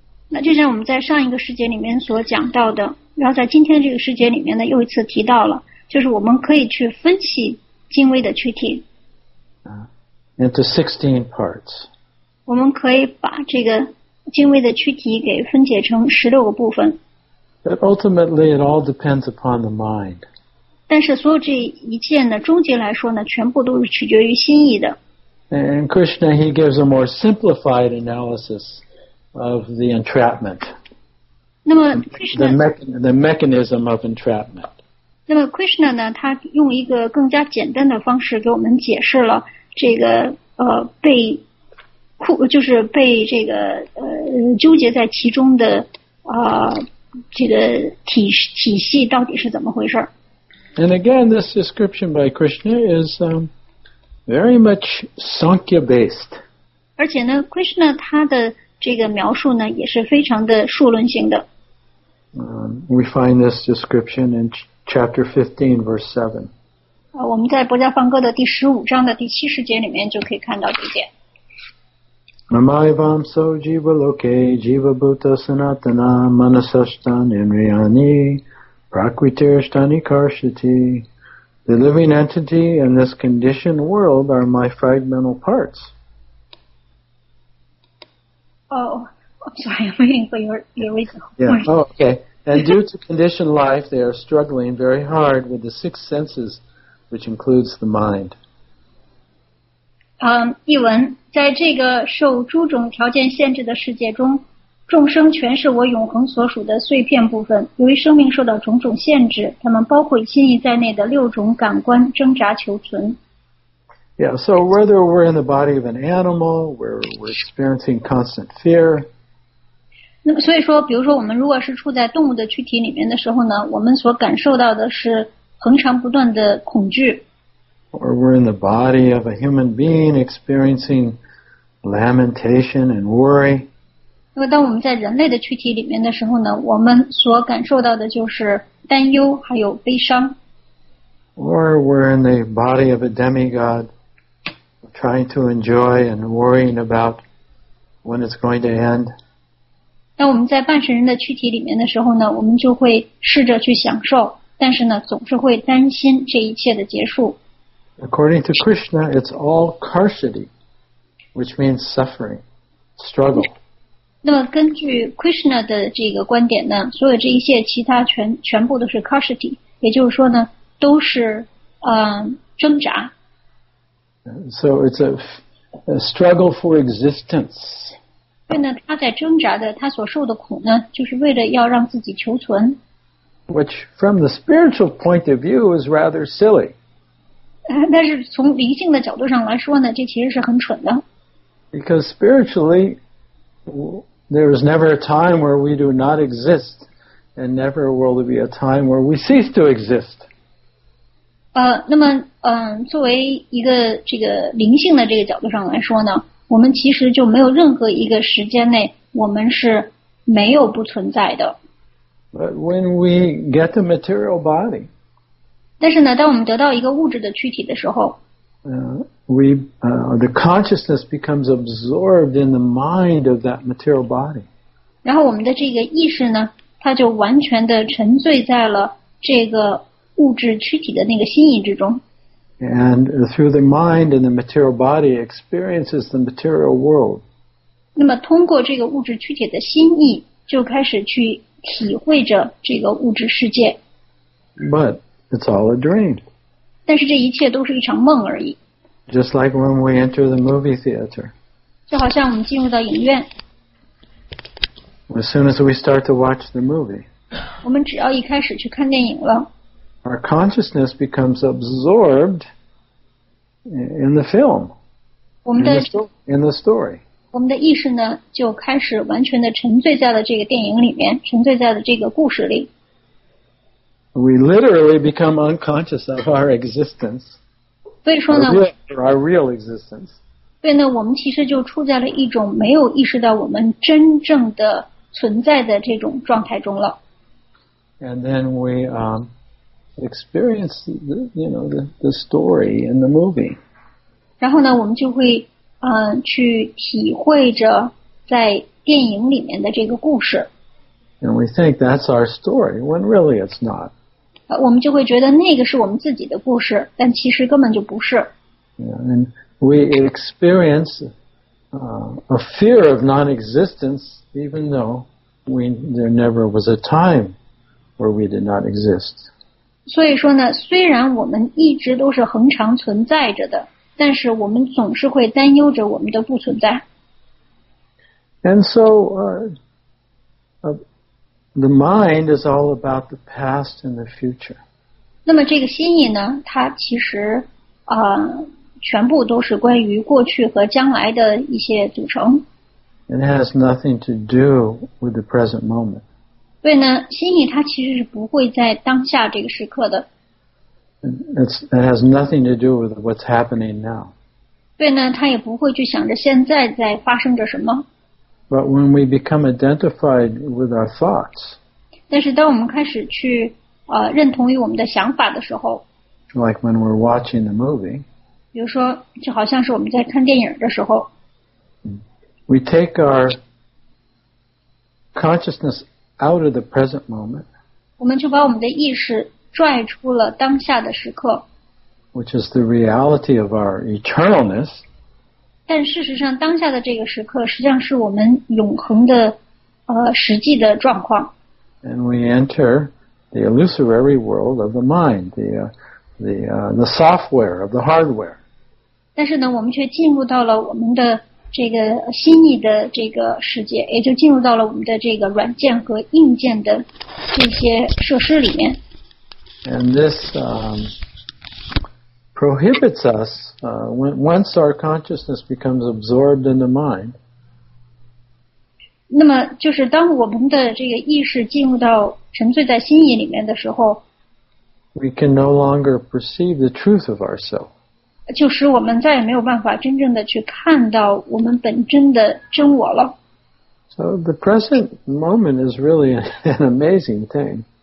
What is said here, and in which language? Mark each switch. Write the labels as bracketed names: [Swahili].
[Chinese] 那就像我们在上一个世界里面所讲到的，然后在今天这个世界里面呢，又一次提到了，就是我们可以去分析精微的躯体。 [English] Into 16 parts. [Chinese] 我们可以把这个精微的躯体给分解成十六个部分。 [English] But ultimately, it all depends upon the mind. [Chinese] 但是所有这一切呢，终极来说呢，全部都是取决于心意的。 [English] And Krishna, he gives a more simplified analysis of the entrapment. [Chinese] 那么 Krishna, [English] the mechanism of entrapment. [Chinese] 那么 Krishna 呢，他用一个更加简单的方式给我们解释了这个被苦就是被这个纠结在其中的这个体系到底是怎么回事。 [English] And again, this description by Krishna is very much Sankhya based. [Chinese] 而且呢 ，Krishna 他的这个描述呢也是非常的数论性的。 [English] We find this description in chapter 15, verse 7. [Chinese] 我们在《薄伽梵歌》的第十五章的第七十节里面就可以看到这点。 [Sanskrit] Namayvamso jiva loke jiva bhuta sanatana manasastan indriyani. Prakritirshtani karshati, [English] the living entity and this conditioned world are my fragmental parts. Oh, I'm sorry, I'm waiting for your reason. Yeah. Oh, okay. And due to conditioned life, they are struggling very hard with the six senses, which includes the mind. [Chinese] 译文，在这个受诸种条件限制的世界中众生全是我永恒所属的碎片部分，由于生命受到种种限制，他们包括心意在内的六种感官挣扎求存。 [English] Yeah, so whether we're in the body of an animal, we're experiencing constant fear. [Chinese] 那么所以说，比如说我们如果是处在动物的躯体里面的时候呢，我们所感受到的是恒常不断的恐惧。 [English] Or we're in the body of a human being experiencing lamentation and worry. [Chinese] 因为当我们在人类的躯体里面的时候呢，我们所感受到的就是担忧还有悲伤。 [English] Or we're in the body of a demigod, trying to enjoy and worrying about when it's going to end. [Chinese] 当我们在半神人的躯体里面的时候呢，我们就会试着去享受，但是呢，总是会担心这一切的结束。 [English] According to Krishna, it's all karshati, which means suffering, struggle. [Chinese] 那么根据 Krishna 的这个观点呢，所有这一切其他全部都是 karshati， 也就是说呢，都是挣扎。 [English] So it's a struggle for existence. [Chinese] 所以呢，他在挣扎的，他所受的苦呢，就是为了要让自己求存。 [English] Which from the spiritual point of view is rather silly. [Chinese] 但是从灵性的角度上来说呢，这其实是很蠢的。 [English] Because spiritually. There is never a time where we do not exist, and never will there be a time where we cease to exist. [Chinese] 那么作为一个这个灵性的这个角度上来说呢，我们其实就没有任何一个时间内我们是没有不存在的。 [English] But when we get the material body, [Chinese] 但是呢，当我们得到一个物质的躯体的时候。 [English] The consciousness becomes absorbed in the mind of that material body. [Chinese] 然后我们的这个意识呢，它就完全的沉醉在了这个物质躯体的那个心意之中。 [English] And through the mind and the material body experiences the material world. [Chinese] 那么通过这个物质躯体的心意，就开始去体会着这个物质世界。 [English] But it's all a dream. [Chinese] 但是这一切都是一场梦而已。 [English] Just like when we enter the movie theater. [Chinese] 就好像我们进入到影院。 [English] As soon as we start to watch the movie. [Chinese] 我们只要一开始去看电影了。 [English] Our consciousness becomes absorbed in the film. [Chinese] 我们的 [English] in the story. [Chinese] 我们的意识呢就开始完全的沉醉在了这个电影里面，沉醉在了这个故事里。 [English] We literally become unconscious of our existence. [Chinese] 所以说呢 [English] our real existence. [Chinese] 所以呢我们其实就处在了一种没有意识到我们真正的存在的这种状态中了。 [English] And then we experience the story in the movie. [Chinese] 然后呢我们就会去体会着在电影里面的这个故事。 [English] And we think that's our story, when really it's not. [Chinese] 我们就会觉得那个是我们自己的故事，但其实根本就不是。 [English] Yeah, and we experience a fear of non-existence, even though there never was a time where we did not exist. [Chinese] 所以说呢，虽然我们一直都是恒常存在着的，但是我们总是会担忧着我们的不存在。 [English] And so, The mind is all about the past and the future. [Chinese] 那么这个心意呢，它其实全部都是关于过去和将来的一些组成。 [English] It has nothing to do with the present moment. [Chinese] 所以呢，心意它其实是不会在当下这个时刻的。 [English] It has nothing to do with what's happening now. [Chinese] 所以呢，它也不会去想着现在在发生着什么。 [English] But when we become identified with our thoughts, [Chinese] 但是当我们开始去认同于我们的想法的时候， [English] like when we're watching the movie, [Chinese] 比如说就好像是我们在看电影的时候， [English] we take our consciousness out of the present moment, [Chinese] 我们就把我们的意识拽出了当下的时刻， [English] which is the reality of our eternalness, [Chinese] 但事实上当下的这个时刻实际上是我们永恒的实际的状况。 [English] And we enter the illusory world of the mind, the software of the hardware. [Chinese] 但是呢我们却进入到了我们的这个心意的这个世界，也就进入到了我们的这个软件和硬件的这些设施里面。 [English] And this,prohibits us, once our consciousness becomes absorbed in the mind. [Chinese] 那么就是当我们的这个意识进入到沉醉在心意里面的时候， [English] we can no longer perceive the truth of ourself. [Chinese] 就使我们再也没有办法真正的去看到我们本真的真我了。 [English] So the present moment is really an amazing thing.